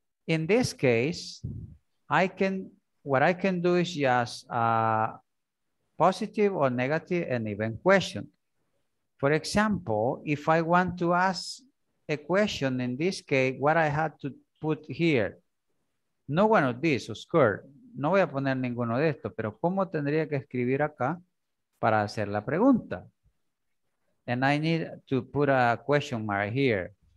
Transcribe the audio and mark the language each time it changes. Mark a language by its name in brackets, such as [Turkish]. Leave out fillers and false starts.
[English] in this case, I can, what I can do is just positive or negative and even question. For example, if I want to ask a question, in this case, what I had to put here? No one of these, Oscar. [Spanish] No voy a poner ninguno de estos, pero ¿cómo tendría que escribir acá para hacer la pregunta? [English] And I need to put a question mark here.